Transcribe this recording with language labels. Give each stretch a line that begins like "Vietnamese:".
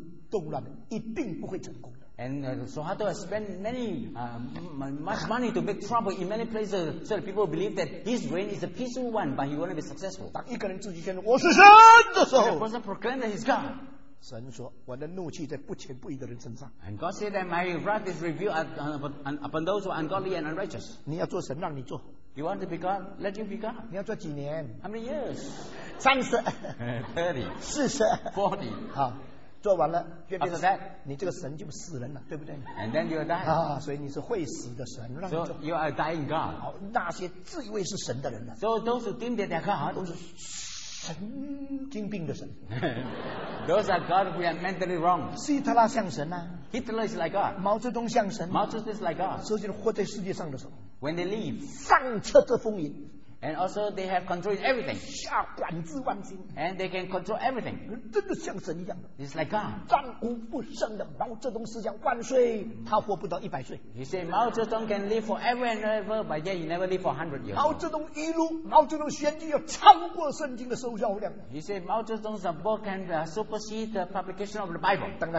Chinese: 到处作乱，使人相信他的统治是太平的，别人的统治是动乱的，一定不会成功的。
English: And Suharto has spent many much money to make trouble in many places so that people believe that his reign is a peaceful one, but he won't be successful.
Chinese: 当一个人自己宣称我是神的时候，
English: The person proclaimed that he's God.
Chinese: 神说，我的怒气在不虔不义的人身上。
English: And God said that my wrath is revealed upon those who are ungodly and unrighteous.
Chinese: 你要做神，让你做。
English: You want to be God? Let you be God.
Chinese: 你要做几年?
English: How many years?
Chinese: 30.
English: 30.
Chinese: 40.
English: 40.
Chinese: 好，做完了。After
English: that,
Chinese: 你这个神就死人了，对不对？
English: And then you die.
Chinese: 啊，所以你是会死的神。
English: So you are dying God.
Chinese: 好，那些自以为是神的人呢？
English: So those who think that they are God
Chinese: 都是神经病的神。
English: Those are God who are mentally wrong.
Chinese: 希特拉像神啊。
English: Hitler is like God.
Chinese: 毛泽东像神。
English: Mao Zedong is like God.
Chinese: 所以就活在世界上的时候。
English: When they leave,
Chinese: 上策之风云,
English: and also they have control in everything,
Chinese: 下管制万心,
English: and they can control everything.
Chinese: 真的像神一样,
English: it's like God.
Chinese: 战无不胜的毛泽东思想万岁，他活不到100岁。
English: He said Mao Zedong can live forever and ever, but yet he never live for 100 years.
Chinese: 毛泽东宣言要超过圣经的受教量。
English: He said Mao Zedong's book can supersede the publication of the Bible.